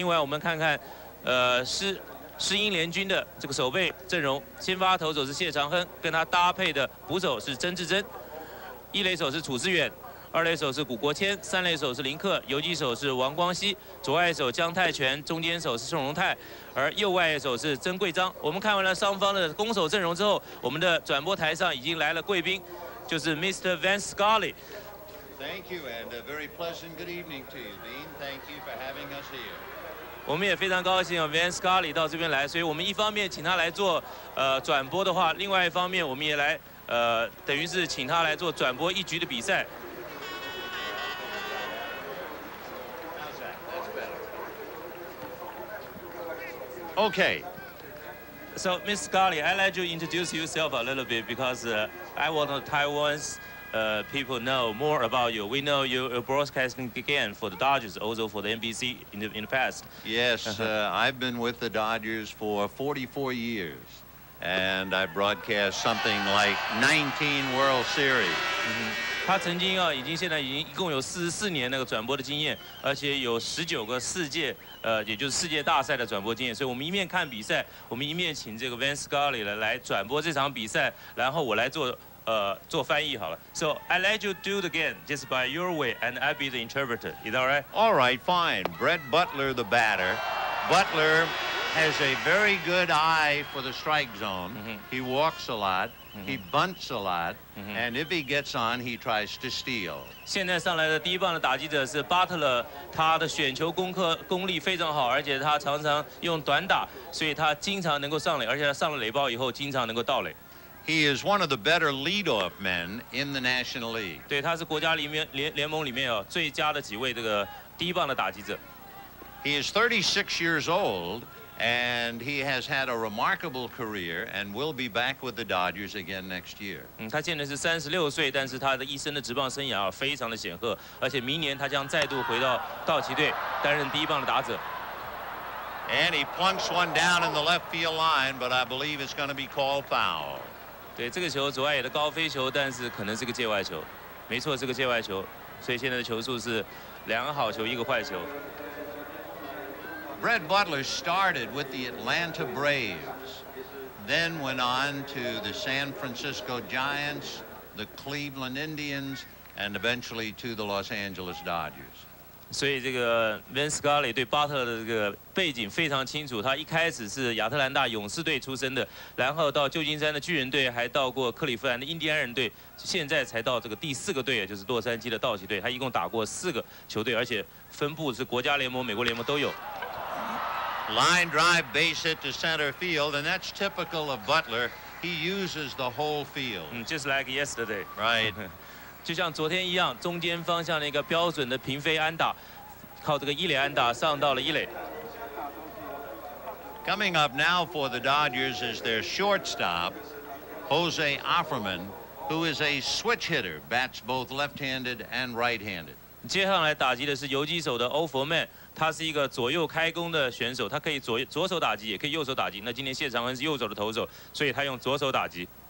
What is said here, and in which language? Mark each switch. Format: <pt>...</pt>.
<zh>另外我们看看狮鹰联军的这个守备阵容，先发投手是谢长亨，跟他搭配的捕手是曾志珍，一垒手是楚志远，二垒手是古国谦，三垒手是林克，游击手是王光熙，左外手江泰拳，中间手是宋荣泰，而右外手是曾贵章。我们看完了双方的攻守阵容之后，我们的转播台上已经来了贵宾，就是 Mr.</zh> <en>Vance Scully。 Thank you and a very pleasant good evening to you, Dean. Thank you for having us here.</en> <zh>我们也非常高兴有 Vance Scully 到这边来，所以我们一方面请他来做转播的话，另外一方面我们也来等于是请他来做转播一局的比赛。</zh> <en>Okay. So, Ms. Scully, I'd like to introduce yourself a little bit because I want Taiwan's people know more about you. We know you're broadcasting again for the Dodgers, also for the NBC in the past. Yes, I've been with the Dodgers for 44 years, and I broadcast something like 19 World Series. Mm-hmm.</en> <zh>他曾经啊，现在已经一共有44年那个转播的经验，而且有19个世界，也就是世界大赛的转播经验。所以我们一面看比赛，我们一面请这个 Vance Scully 来转播这场比赛，然后我来做翻译好了。</zh> <en>So I let you do it again, just by your way, and I'll be the interpreter. Is that right? All right, fine. Brett Butler, the batter. Butler has a very good eye for the strike zone. He walks a lot. He bunts a lot, and if he gets on, he tries to steal.</en> <zh>现在上来的第一棒的打击者是巴特勒，他的选球功力非常好，而且他常常用短打，所以他经常能够上垒，而且他上了垒包以后经常能够盗垒。</zh> <en>He is one of the better leadoff men in the National League.</en> <zh>对，他是国家联盟里面哦最佳的几位这个第一棒的打击者。</zh> <en>He is 36 years old. And he has had a remarkable career, and will be back with the Dodgers again next year.</en> <zh>他现在是36岁，但是他的一生的职棒生涯非常的显赫，而且明年他将再度回到道奇队担任第一棒的打者。</zh> <en>And he plunks one down in the left field line, but I believe it's going to be called foul.</en> <zh>对，这个球左外野的高飞球，但是可能是个界外球，没错，是个界外球，所以现在的球数是两个好球，一个坏球。</zh> <en>Brett Butler started with the Atlanta Braves, then went on to the San Francisco Giants, the Cleveland Indians, and eventually to the Los Angeles Dodgers.</en> <zh>所以这个 Vince Scully 对巴特勒的这个背景非常清楚。他一开始是亚特兰大勇士队出身的，然后到旧金山的巨人队，还到过克利夫兰的印第安人队，现在才到这个第四个队，也就是洛杉矶的道奇队。他一共打过四个球队，而且分布是国家联盟、美国联盟都有。</zh> <en>Line drive base hit to center field, and that's typical of Butler. He uses the whole field. Just like yesterday. Right.</en> <zh>就像昨天一样，中间方向的一个标准的平飞安打，靠这个一垒安打上到了一垒。</zh> <en>Coming up now for the Dodgers is their shortstop, Jose Offerman, who is a switch hitter, bats both left-handed and right-handed.</en> <zh>接下来打击的是游击手的 Offerman。他是一个左右开弓的选手，他可以 左手打击，也可以右手打击。那今天谢长亨是右手的投手，所以他用左手打击。</zh>